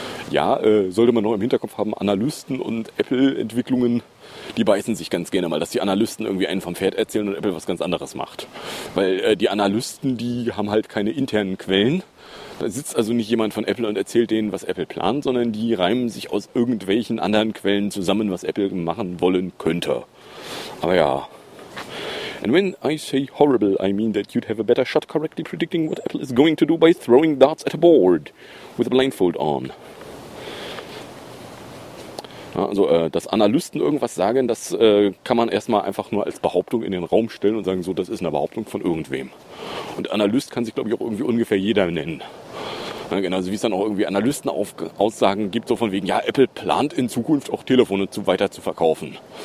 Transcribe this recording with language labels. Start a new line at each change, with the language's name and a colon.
German: Ja, sollte man noch im Hinterkopf haben, Analysten und Apple-Entwicklungen, die beißen sich ganz gerne mal, dass die Analysten irgendwie einen vom Pferd erzählen und Apple was ganz anderes macht. Weil die Analysten, die haben halt keine internen Quellen. Da sitzt also nicht jemand von Apple und erzählt denen, was Apple plant, sondern die reimen sich aus irgendwelchen anderen Quellen zusammen, was Apple machen wollen könnte. Aber ja.
English: And when I say horrible, I mean that you'd have a better shot correctly predicting what Apple is going to do by throwing darts at a board with a blindfold on.
German: Ja, also, dass Analysten irgendwas sagen, das kann man erstmal einfach nur als Behauptung in den Raum stellen und sagen, so, das ist eine Behauptung von irgendwem. Und Analyst kann sich, glaube ich, auch irgendwie ungefähr jeder nennen. Ja, genau, so wie es dann auch irgendwie Analysten-Aussagen gibt, so von wegen, ja, Apple plant in Zukunft auch Telefone weiter zu verkaufen.